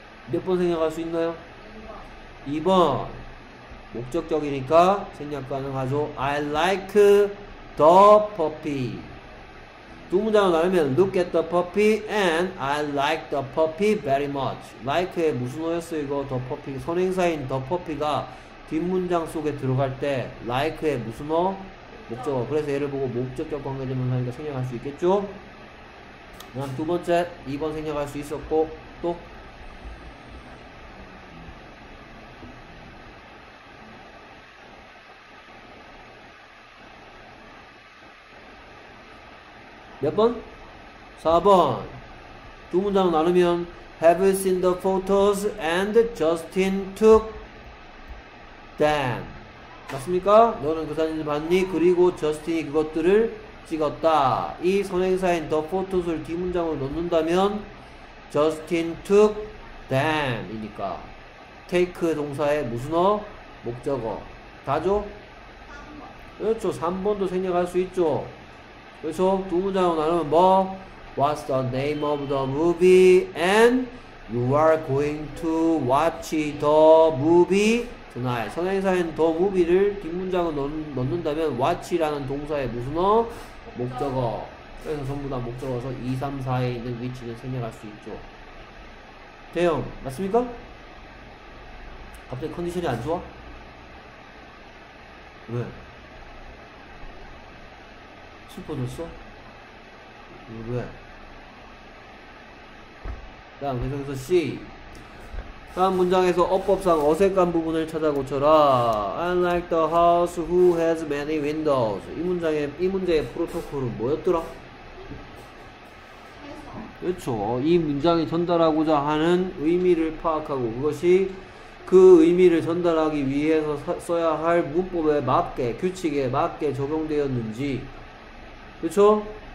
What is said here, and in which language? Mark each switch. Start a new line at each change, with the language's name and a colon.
Korean: 몇번 생략할 수 있나요? 2번. 목적격이니까 생략 가능하죠.
English: I like the puppy.
Korean: 두 문장을 나누면
English: look at the puppy and I like the puppy very much.
Korean: like의 무슨 어였어요? 이거 the puppy 선행사인 the puppy가 뒷문장 속에 들어갈 때 like의 무슨 어? 목적어. 그래서 얘를 보고 목적격 관계되면 하니까 생략할 수 있겠죠? 그럼 두 번째 2번 생략할 수 있었고 또 몇 번? 4번. 두 문장 나누면
English: Have you seen the photos and Justin took them?
Korean: 맞습니까? 너는 그 사진을 봤니? 그리고 저스틴이 그것들을 찍었다. 이 선행사인 the photos를 뒷문장으로 넣는다면
English: Justin took them
Korean: 이니까 take 동사의 무슨 어? 목적어. 다죠? 3번. 그렇죠. 3번도 생략할 수 있죠. 그래서 두 문장으로 나누면 뭐?
English: What's the name of the movie? And you are going to watch the movie tonight.
Korean: 선행사인 the movie를 뒷문장으로 넣는다면 watch라는 동사의 무슨 어? 목적어. 그래서 전부 다 목적어서 2, 3, 4에 있는 위치를 생략할 수 있죠. 대형 맞습니까? 갑자기 컨디션이 안 좋아? 왜? 슬퍼졌어? 왜? 다음 계속해서 C. 다음 문장에서 어법상 어색한 부분을 찾아 고쳐라.
English: I like the house who has many windows.
Korean: 이 문제의 프로토콜은 뭐였더라? 그렇죠. 이 문장이 전달하고자 하는 의미를 파악하고 그것이 그 의미를 전달하기 위해서 써야 할 문법에 맞게 규칙에 맞게 적용되었는지. 그쵸?